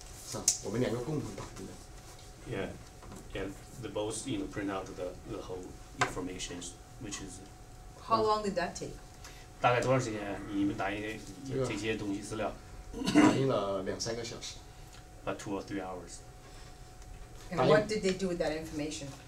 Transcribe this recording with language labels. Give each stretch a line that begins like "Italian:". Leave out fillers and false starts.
Chinese: 是啊，我们两个共同打印的。
English: Yeah, they both, print out the whole information, which is... How long did that take?
Chinese: 大概多少时间？你们打印这些东西资料？打印了两三个小时。
English: About 2 or 3 hours. And what did they do with that information?